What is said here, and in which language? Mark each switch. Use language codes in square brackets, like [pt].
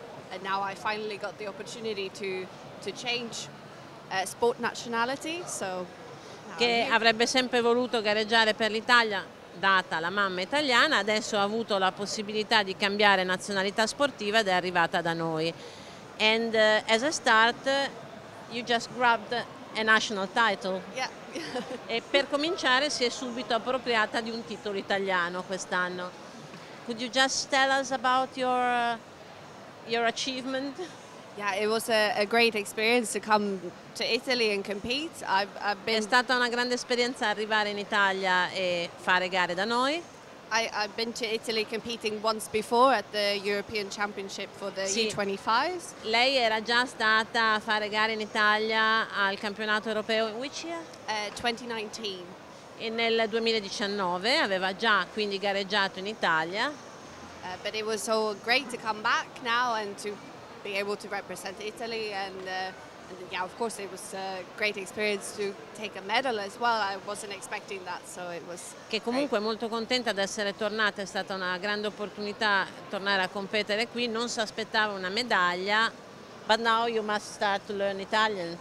[en] And now I finally got the opportunity to change sport nationality. So. [it] Che avrebbe sempre voluto gareggiare per l'Italia, data la mamma italiana, adesso ha avuto la possibilità di cambiare nazionalità sportiva ed è arrivata da noi. [en] And as a start, you just grabbed a national title. Yeah. [it] E per cominciare si è subito appropriata di un titolo italiano quest'anno. [en] Could you just tell us about your achievement? Yeah, it was a great experience to come to Italy and compete. I've been. [it] È stata una grande esperienza arrivare in Italia e fare gare da noi. [en] I've been to Italy competing once before at the European Championship for the U25s. [it] Lei era già stata a fare gare in Italia al campionato europeo [en] in which year? 2019. [it] E nel 2019 aveva già quindi gareggiato in Italia. [en] But it was so great to come back now and to be able to represent Italy, and yeah, of course it was a great experience to take a medal as well. I wasn't expecting that, so it was. [it] Che comunque è molto contenta di essere tornata, è stata una grande opportunità tornare a competere qui, non si aspettava una medaglia. [en] But now you must start to learn Italian.